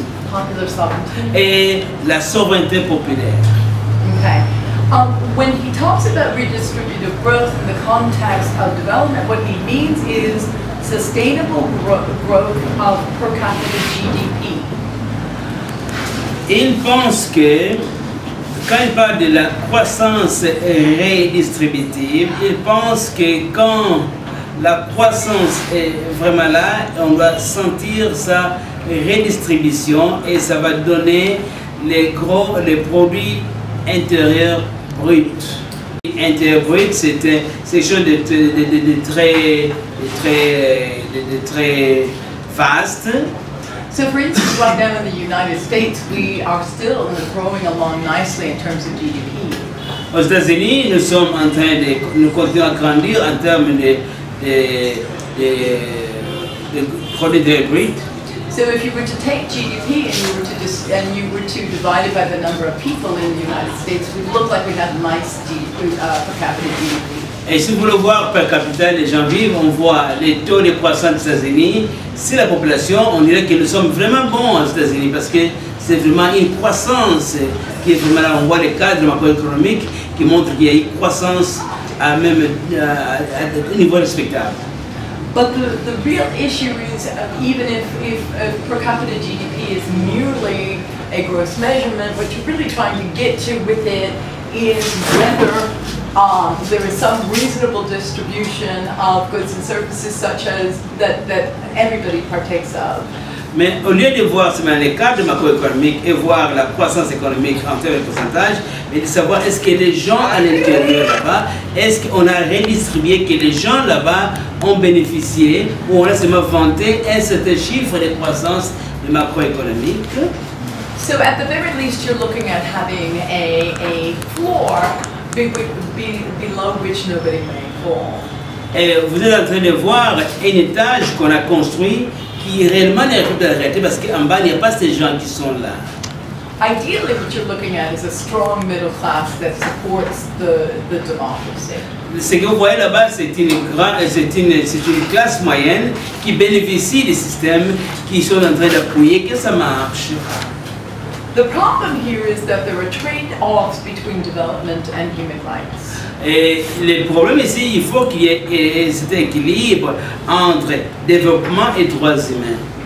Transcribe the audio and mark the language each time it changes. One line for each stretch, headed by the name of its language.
English: Popular sovereignty.
French: Et la souveraineté populaire.
English: Okay. When he talks about redistributive growth in the context of development, what he means is sustainable growth of per capita GDP.
French: Il pense que quand il parle de la croissance redistributive, il pense que quand la croissance est vraiment là, on va sentir sa redistribution et ça va donner les produits intérieurs bruts. Intérieur brut, c'était ces choses de très vaste.
English: So for instance, right now in the United States, we are still growing along nicely in terms of GDP.
French: Aux États-Unis, nous sommes en train de nous continuer à grandir en termes de produits intérieurs bruts.
English: So if you were to take GDP and you were to divide it by the number of people in the United States, we look like we have nice per capita GDP.
French: Et si vous voulez voir per capita les gens vivent, on voit les taux de croissance des États-Unis. Si la population, on dirait que nous sommes vraiment bons aux États-Unis parce que c'est vraiment une croissance qui est vraiment là. On voit les cadres macroéconomiques qui montrent qu'il y a une croissance à même à un niveau respectable.
English: But the real issue is, even if per capita GDP is merely a gross measurement. What you're really trying to get to with it is whether there is some reasonable distribution of goods and services such as that everybody partakes of.
French: Mais au lieu de voir seulement les cadres de macroéconomique et voir la croissance économique en termes de pourcentage, mais de savoir est-ce que les gens à l'intérieur là-bas, est-ce qu'on a redistribué que les gens là-bas ont bénéficié ou on a seulement vanté un certain chiffre de croissance de macroéconomique.
English: So at the very least, you're looking at having a floor below which nobody may fall.
French: Et vous êtes en train de voir un étage qu'on a construit qui réellement n'est pas arrêté parce qu'en bas, il n'y a pas ces gens qui sont là.
English: Ideally, what you're looking at is a strong middle class that supports the democracy.
French: Ce que vous voyez là-bas, c'est une classe moyenne qui bénéficie des systèmes qui sont en train d'appuyer que ça marche.
English: The problem here is that there are trade-offs between development and human rights.
French: Et le problème ici, il faut qu'il y ait cet équilibre entre développement et droits humains.